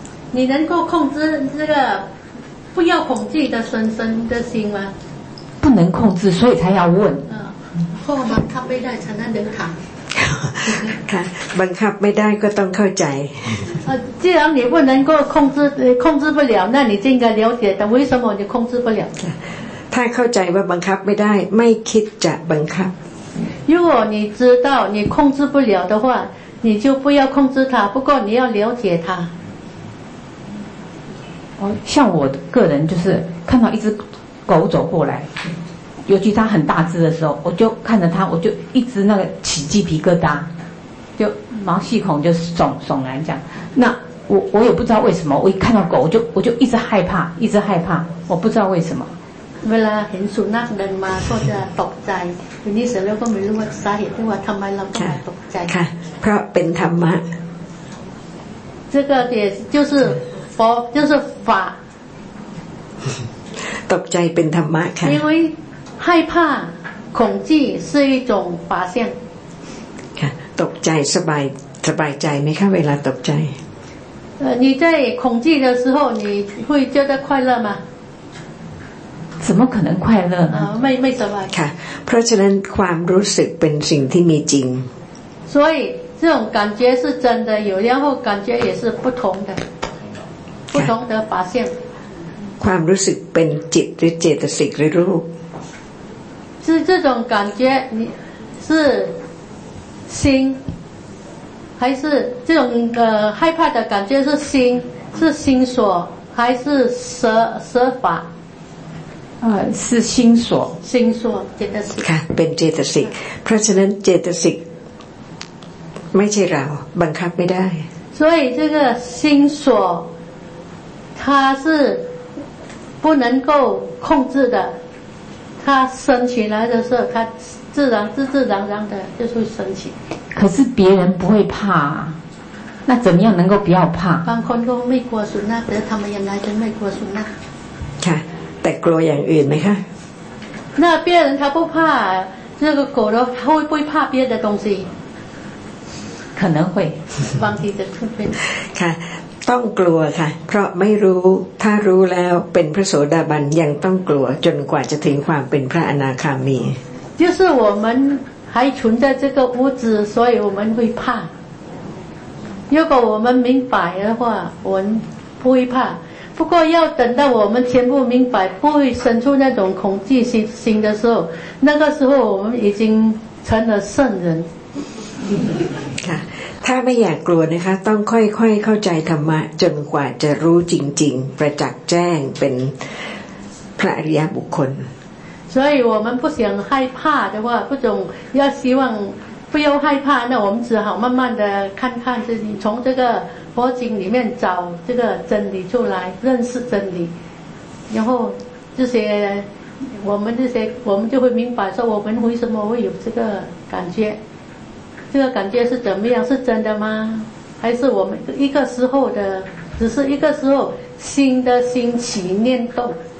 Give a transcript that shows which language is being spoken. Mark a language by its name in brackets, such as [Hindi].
[Chinese] 你能够控制这个不要恐惧的深的心吗不能控制所以才要问后我们咖啡带才能等躺 [Thai] ค่ะบังคับไม่ได้ก็ต้องเข้าใจ [Chinese] 既然你不能够控制不了那你应该了解但为什么你控制不了 [Thai] ถ้าเข้าใจว่าบังคับไม่ได้ไม่คิดจะบังคับ [Chinese] 如果你知道你控制不了的话你就不要控制它不过你要了解它像我个人就是看到一只狗走过来尤其它很大只的时候我就看着它我就一直那个起鸡皮疙瘩就毛细孔就耸然这样那我也不知道为什么我一看到狗我就一直害怕一直害怕我不知道为什么 [Thai] เวลาเห็นสุนัขเดินมาก็จะตกใจทีนี้เสร็จแล้วก็ไม่รู้ว่าสาเหตุที่ว่าทำไมเราต้องมาตกใจ ค่ะเพราะเป็นธรรมะ [Chinese] 这个也就是佛就是法 [Thai] ตกใจเป็นธรรมะค่ะ [Chinese] 因为害怕恐惧是一种法相 [Thai] ค่ะตกใจสบายใจไหมคะเวลาตกใจ [Chinese] 你在恐惧的时候你会觉得快乐吗怎么可能快乐呢 [Thai] ไม่สบาย ค่ะเพราะฉะนั้นความรู้สึกเป็นสิ่งที่มีจริง [Chinese] 所以这种感觉是真的有然后感觉也是不同的不同的发现 [Thai] ความรู้สึกเป็นจิตหรือเจตสิกหรือรูป [Chinese] 是这种感觉是心还是这种害怕的感觉是心所还是舍法是心所心所เจตสิก [Thai] ค่ะเป็นเจตสิกเพราะฉะนั้นเจตสิกไม่ใช่เราบังคับไม่ได้ [Chinese] 所以这个心所它是不能够控制的它升起来的时候它自然的就是升起可是别人不会怕那怎么样能够不要怕 [Thai] บางคนก็ไม่กลัวสุนัขแต่ทำไมยังไงถึงไม่กลัวสุนัข แต่กลัวอย่างอื่นไหมคะ [Chinese] 那别人他不怕这个狗的他会不会怕别的东西可能会 [Thai] บางทีจะขึ้นไป ค่ะต้องกลัวค่ะเพราะไม่รู้ถ้ารู้แล้วเป็นพระโสดาบันยังต้องกลัวจนกว่าจะถึงความเป็นพระอนาคามี [Chinese] 就是我们还存在这个物质所以我们会怕如果我们明白的话我们不会怕不过要等到我们全部明白不会生出那种恐惧心的时候那个时候我们已经成了圣人 [Thai] ถ้าไม่อยากกลัวนะคะต้องค่อยๆเข้าใจธรรมะจนกว่าจะรู้จริงๆประจักษ์แจ้งเป็นพระอริยบุคคล [Chinese] 所以我们不想害怕的话不总要希望不要害怕那我们只好慢慢的看自己从这个佛经里面找这个真理出来认识真理然后这些我们就会明白说我们为什么会有这个感觉这个感觉是怎么样是真的吗还是我们一个时候的只是一个时候心的心起念动